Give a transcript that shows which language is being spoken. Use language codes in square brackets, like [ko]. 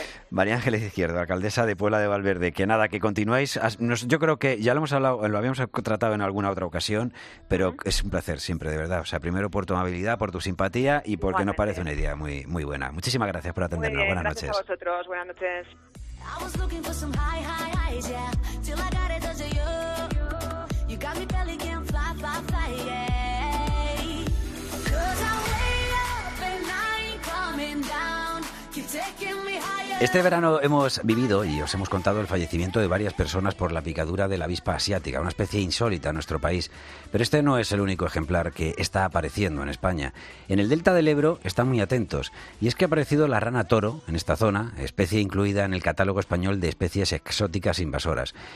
[es] María Ángeles Izquierdo, alcaldesa de Puebla de Valverde, que nada, que continuéis. Yo creo que ya lo hemos hablado, lo habíamos tratado en alguna otra ocasión, pero es un placer siempre, de verdad. O sea, primero por tu amabilidad, por tu simpatía y porque igualmente nos parece una idea muy, muy buena. Muchísimas gracias por atendernos. Bien, buenas gracias noches. Gracias a vosotros. Buenas noches. [en] I was looking for some high, yeah, till I got a touch of you. You got me belly can fly, yeah. 'Cause I'm way up and I ain't coming down. Keep taking me high. [es] Este verano hemos vivido y os hemos contado el fallecimiento de varias personas por la picadura de la avispa asiática, una especie insólita en nuestro país. Pero este no es el único ejemplar que está apareciendo en España. En el delta del Ebro están muy atentos, y es que ha aparecido la rana toro en esta zona, especie incluida en el catálogo español de especies exóticas invasoras.